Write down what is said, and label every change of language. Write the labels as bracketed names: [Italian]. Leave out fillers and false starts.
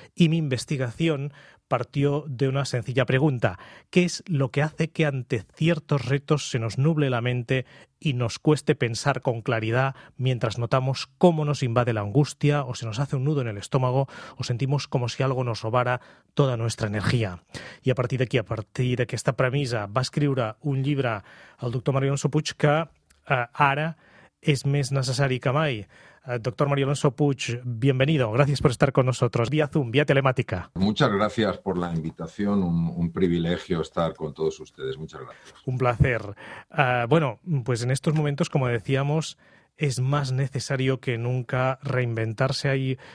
[Spanish] Y mi investigación partió de una sencilla pregunta: ¿qué es lo que hace que ante ciertos retos se nos nuble la mente y nos cueste pensar con claridad mientras notamos cómo nos invade la angustia o se nos hace un nudo en el estómago o sentimos como si algo nos robara toda nuestra energía? [Catalan] Y a partir d'aquí, a partir d'aquesta premissa, va escriure un llibre el doctor Mario Alonso Puig que ara és més necessari que mai. [Spanish] Doctor Mario Alonso Puig, bienvenido. Gracias por estar con nosotros vía Zoom, vía telemática. Muchas gracias por la invitación. Un privilegio estar con todos ustedes. Muchas gracias. Un placer. Bueno, pues en estos momentos, como decíamos, es más necesario que nunca reinventarse.